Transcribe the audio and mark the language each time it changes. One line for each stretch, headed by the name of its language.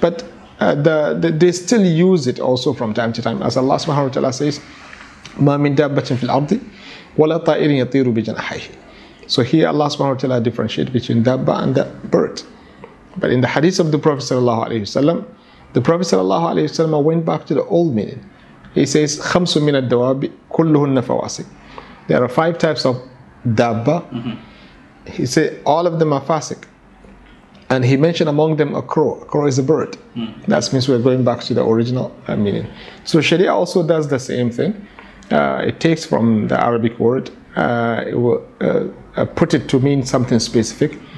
English: But they still use it also from time to time. As Allah subhanahu wa ta'ala says,
Arabic: مَا مِن دَابَّةٍ فِي الْأَرْضِ وَلَا طَائِرٍ يَطِيرُ بِجَنَحَيْهِ.
English: So here Allah subhanahu wa ta'ala differentiate between dabba and the bird. But in the hadith of the Prophet sallallahu alayhi wa sallam, the Prophet sallallahu alayhi wa sallam went back to the old meaning. He says,
Arabic: خَمْسُ مِنَ الدَّوَابِ كُلُّهُنَّ فَوَاسِقٍ.
English: There are five types of dabba. Mm-hmm. He said, all of them are fasik. And he mentioned among them a crow. A crow is a bird. Mm-hmm. That means we're going back to the original meaning. So Sharia also does the same thing. It takes from the Arabic word, it will put it to mean something specific,